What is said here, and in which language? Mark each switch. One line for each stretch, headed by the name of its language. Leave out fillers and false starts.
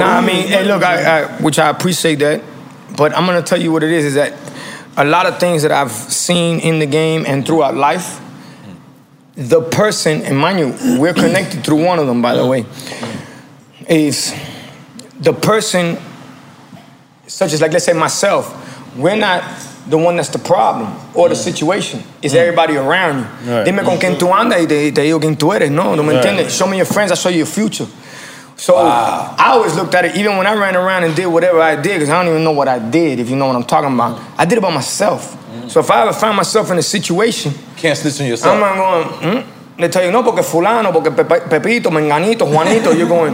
English: Nah, I mean, hey, look, which I appreciate that, but I'm going to tell you what it is that a lot of things that I've seen in the game and throughout life, the person, and mind you, we're connected through one of them, by the way, is the person, such as, like, let's say myself, we're not the one that's the problem or the situation. It's everybody around you. Right.
Spanish: Dime con quien tú andas y te digo quien tú eres. No, no me entiendes.
English: Show me your friends, I'll show you your future. So wow. I always looked at it, even when I ran around and did whatever I did, because I don't even know what I did, if you know what I'm talking about. I did it by myself. So if I ever find myself in a situation, can't snitch on yourself. I'm not going, They tell you,
Spanish: no, porque fulano, porque Pepito, Menganito, Juanito,
English: you're going.